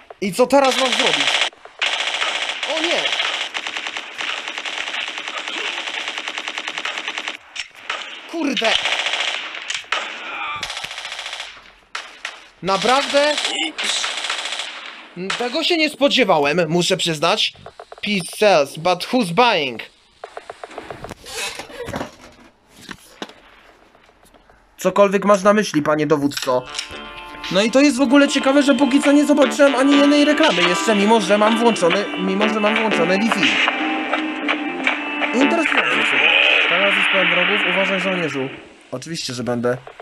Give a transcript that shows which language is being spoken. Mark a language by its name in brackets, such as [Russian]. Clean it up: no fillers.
[Polish] I co teraz mam zrobić? O nie! Kurde! Naprawdę? Tego się nie spodziewałem, muszę przyznać. [English] Peace sells, but who's buying? [Polish] Cokolwiek masz na myśli, panie dowódco. No i to jest w ogóle ciekawe, że póki co nie zobaczyłem ani jednej reklamy jeszcze, mimo że mam włączone Wi-Fi. Interesujący się. Teraz jest pełen wrogów, uważaj żołnierzu. Oczywiście, że będę.